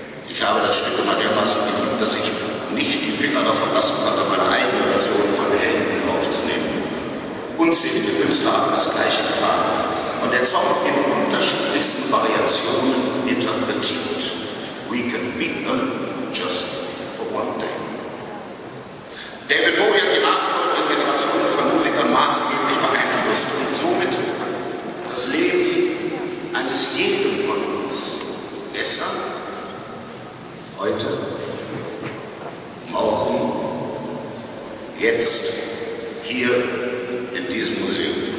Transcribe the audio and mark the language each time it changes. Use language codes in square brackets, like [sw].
[de] Ich habe das Stück immer dermaßen geliebt, dass ich nicht die Finger davon lassen konnte, meine eigene Version von Helden aufzunehmen. Unzählige Künstler haben das Gleiche getan und der Song in unterschiedlichsten Variationen interpretiert. [en] We can beat them just for one day. [de] David Bowie hat die nachfolgenden Generationen von Musikern maßgeblich beeinflusst und somit das Leben eines jeden von uns besser. Heute, morgen, jetzt, hier in diesem Museum.